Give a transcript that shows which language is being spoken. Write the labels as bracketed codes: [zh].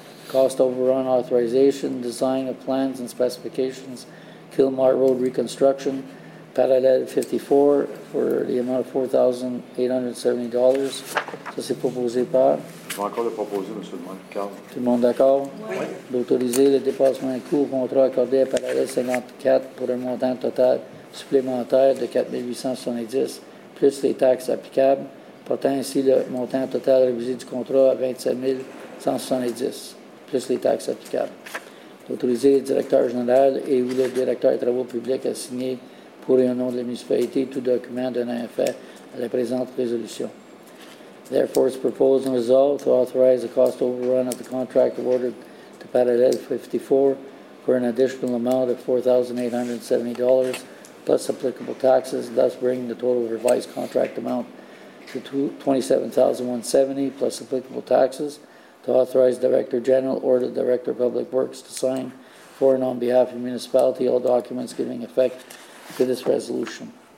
[en] Cost overrun authorization, design of plans and specifications, Kilmar Road reconstruction, parallèle 54, for the amount of $4,870. [fr] Ça, c'est proposé par? Je vais encore le proposer, M. Dumont. Tout le monde d'accord? Oui. D'autoriser le dépassement de coûts au contrat accordé à parallèle 54 pour un montant total supplémentaire de $4,870 plus les taxes applicables, portant ainsi le montant total révisé du contrat à $27,170 plus les taxes applicables. D'autoriser le directeur général et ou le directeur des travaux publics à signer pour et au nom de la municipalité tout document donnant effet à la présente résolution. [en] Therefore, it's proposed and resolved to authorize the cost overrun of the contract awarded to Parallel 54 for an additional amount of $4,870 plus applicable taxes, thus bringing the total revised contract amount to $27,170 plus applicable taxes, to authorize Director General or the Director of Public Works to sign for and on behalf of the municipality all documents giving effect to this resolution.